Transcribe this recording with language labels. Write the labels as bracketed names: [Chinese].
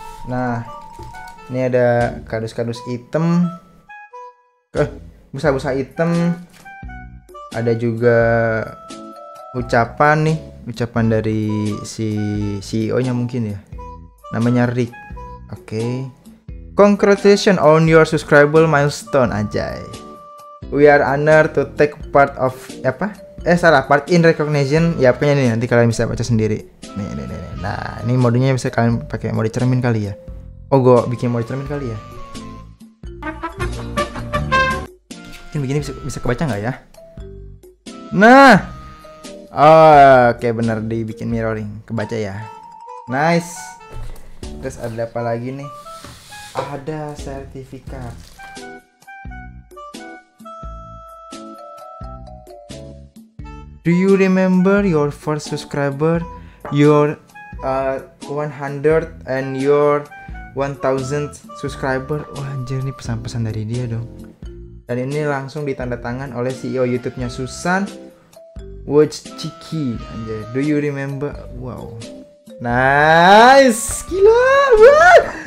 [Indonesian] Nah, ini ada kardus-kardus item, busa-busa item, ada juga ucapan nih. Ucapan dari si CEO-nya mungkin ya. Namanya Rick. Oke. Okay. [English] Congratulations on your subscriber milestone, anjay. We are honored to take part of apa? Part in recognition. [Indonesian] Ya, pokoknya nih nanti kalian bisa baca sendiri. Nih. Nah, ini modenya bisa kalian pakai mode cermin kali ya. Oh, gua bikin mode cermin kali ya. Mungkin begini bisa kebaca enggak ya? Nah, oh, oke, benar dibikin mirroring. Kebaca ya. Nice. Terus ada apa lagi nih? Ada sertifikat. [English] Do you remember your first subscriber? Your 100 and your 1000th subscriber. [Indonesian] Wah, anjir nih pesan-pesan dari dia dong. Dan ini langsung ditandatangan oleh CEO YouTube-nya Susan. [English] Watch Chiki, anjay. Do you remember? Wow, nice, gila. What?